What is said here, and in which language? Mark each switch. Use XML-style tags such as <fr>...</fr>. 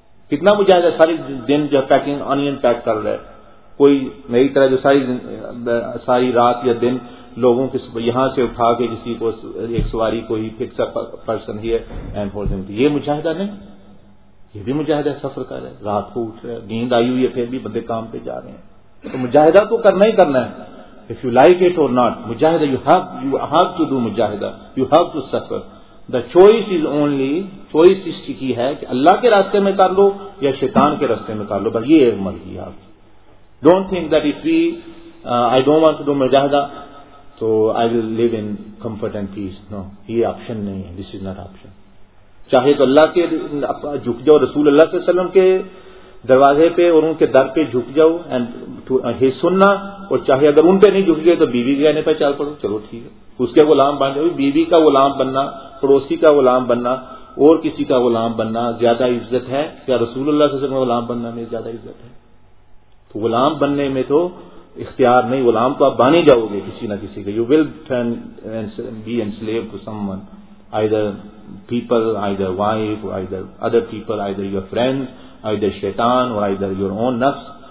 <ur>کتنا مجاہدہ ساری دن جو پیکنگ آنین پیک کر رہا ہے, کوئی نئی طرح جو ساری رات یا دن لوگوں کے یہاں سے اٹھا کے کسی کو ایک سواری کو ہی فکس پرسن ہی ہے, یہ مجاہدہ نہیں, یہ بھی مجاہدہ سفر کر رہے, رات کو اٹھ رہے, نیند آئی ہوئی ہے پھر بھی بندے کام پہ جا رہے ہیں. تو مجاہدہ تو کرنا ہی کرنا ہے,</ur> <en>if you like it or not,</en> <ur>مجاہدہ</ur> <en>you have to do</en> <ur>مجاہدہ,</ur> <en>You have to suffer. The choice is only,</en> <ur>choice اس کی ہے کہ اللہ کے راستے میں کر لو یا شیطان کے راستے میں کر لو, بس یہ ایک مرضی ہے آپ.</ur> <en>Don't think that if we, I don't want to do mujahada, so I will live in comfort and peace. No,</en> <ur>یہ option نہیں ہے,</ur> <en>this is not option.</en> <ur>چاہے تو اللہ کے جھک جاؤ, رسول اللہ صلی اللہ علیہ وسلم کے دروازے پہ اور ان کے در پہ جھک جاؤ اینڈ سننا, اور چاہے اگر ان پہ نہیں جھک گئے تو بیوی کے کہنے پہ چل پڑو, چلو ٹھیک ہے, اس کے غلام بن جاؤ. بیوی کا غلام بننا, پڑوسی کا غلام بننا اور کسی کا غلام بننا زیادہ عزت ہے یا رسول اللہ صلی اللہ علیہ وسلم کا غلام بننا میں زیادہ عزت ہے؟ تو غلام بننے میں تو اختیار نہیں, غلام تو آپ بن ہی جاؤ گے کسی نہ کسی کے,</ur> <en>you will turn be enslave to someone, either people, either wife, either other people, either your friend, either شیطان, or either your own نفس,</en>